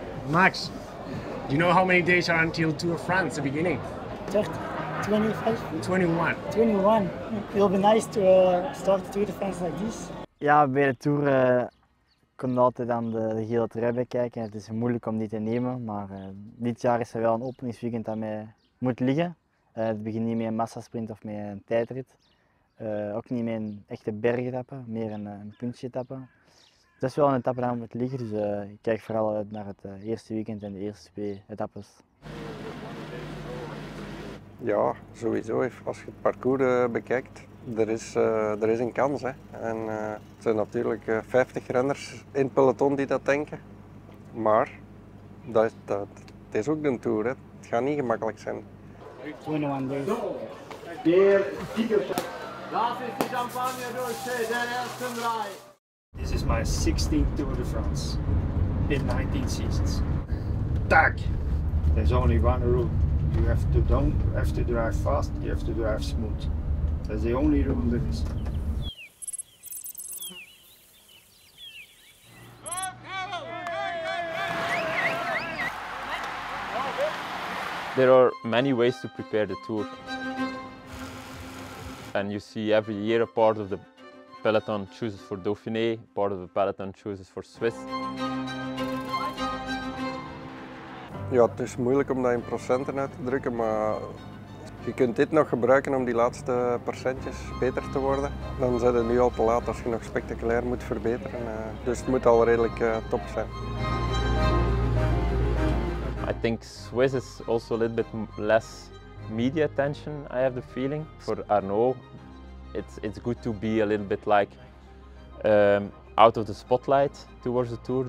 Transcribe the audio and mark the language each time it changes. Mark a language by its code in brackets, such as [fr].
[en] Max, do you know how many days are until Tour of France, the beginning? 25? 21. 21. It'll be nice to start the Tour of France like this. [nl] Ja, bij de Tour kon je altijd aan de gele trui bekijken. Het is moeilijk om die te nemen, maar dit jaar is er wel een openingsweekend dat mij moet liggen. Het begint niet met een massasprint of met een tijdrit. Ook niet met een echte bergetappe, meer een puntje-etappe. Dat is wel een etappe aan het liggen, dus ik kijk vooral uit naar het eerste weekend en de eerste twee etappes. Ja, sowieso. Als je het parcours bekijkt, er is een kans. Hè. En, het zijn natuurlijk 50 renners in het peloton die dat denken. Maar het is ook een Tour. Hè. Het gaat niet gemakkelijk zijn. [en] 21 days. Deer, Tigerstad. [nl] Dat is de champagne door de eerste rij. [en] This is my 16th Tour de France in 19 seasons. Tag! There's only one rule. You have to drive fast, you have to drive smooth. That's the only rule there is. There are many ways to prepare the tour. And you see every year a part of the peloton chooses for Dauphiné, part of the peloton chooses for Swiss. [nl] Ja, het is moeilijk om dat in procenten uit te drukken, maar je kunt dit nog gebruiken om die laatste percentjes beter te worden. Dan zijn we nu al te laat als je nog spectaculair moet verbeteren. Dus het moet al redelijk top zijn. [en] I think Swiss is also a little bit less media attention, I have the feeling. For Arnaud, It's good to be a little bit like out of the spotlight towards the tour.